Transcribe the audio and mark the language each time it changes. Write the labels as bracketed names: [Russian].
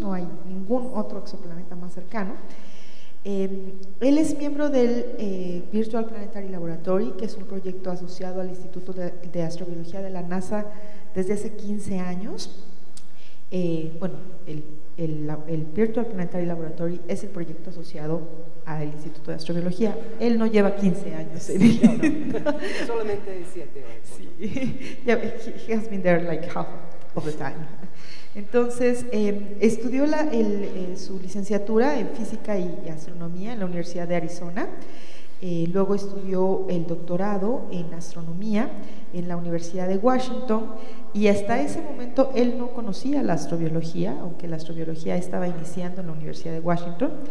[Spanish] No hay ningún otro exoplaneta más cercano. Él es miembro del Virtual Planetary Laboratory, que es un proyecto asociado al Instituto de Astrobiología de la NASA desde hace 15 años. El Virtual Planetary Laboratory es el proyecto asociado al Instituto de Astrobiología. Él no lleva 15 años. Sí, no. Solamente 7. Sí. [English] He has been there like half of the time. [Spanish] Entonces, estudió su licenciatura en física y astronomía en la Universidad de Arizona. Luego estudió el doctorado en astronomía en la Universidad de Washington, y hasta ese momento él no conocía la astrobiología, aunque la astrobiología estaba iniciando en la Universidad de Washington.